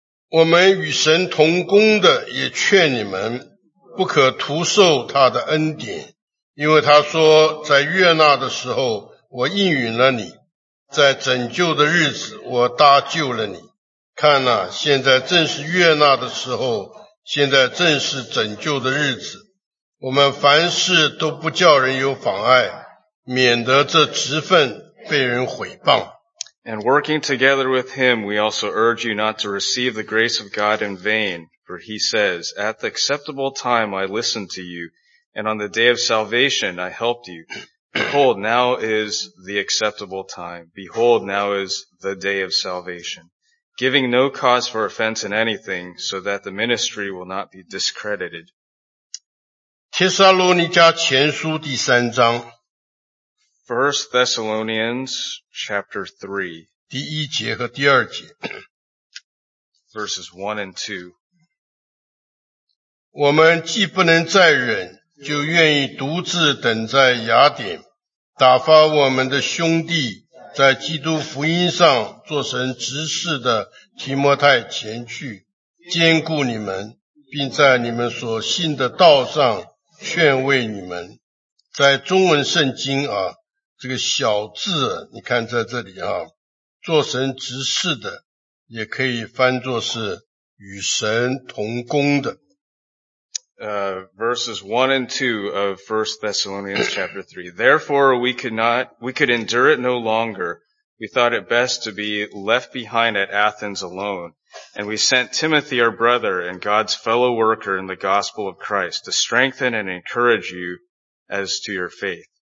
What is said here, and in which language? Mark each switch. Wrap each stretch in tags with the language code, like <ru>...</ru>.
<zh>我们与神同工的也劝你们不可徒受他的恩典，因为他说，在悦纳的时候，我应允了你，在拯救的日子，我搭救了你。看啊，现在正是悦纳的时候，现在正是拯救的日子。我们凡事都不叫人有妨碍，免得这职分被人毁谤。</zh> <en>And working together with him, we also urge you not to receive the grace of God in vain. For he says, at the acceptable time I listened to you, and on the day of salvation I helped you. Behold, now is the acceptable time. Behold, now is the day of salvation. Giving no cause for offense in anything, so that the ministry will not be discredited.</en> <zh>帖撒罗尼迦前书第三章。</zh> <en>1 Thessalonians chapter 3.</en> <zh>第一节和第二节。</zh> <en>Verses 1 and 2.</en> <zh>我们既不能再忍，就愿意独自等在雅典，打发我们的兄弟在基督福音上做成执事的提摩太前去，兼顾你们，并在你们所信的道上劝慰你们。在中文圣经啊，这个小字你看在这里啊，做成执事的也可以翻作是与神同工的。</zh> <en>Verses 1 and 2 of 1 Thessalonians chapter 3. Therefore, we could endure it no longer. We thought it best to be left behind at Athens alone. And we sent Timothy, our brother, and God's fellow worker in the gospel of Christ, to strengthen and encourage you as to your faith.</en>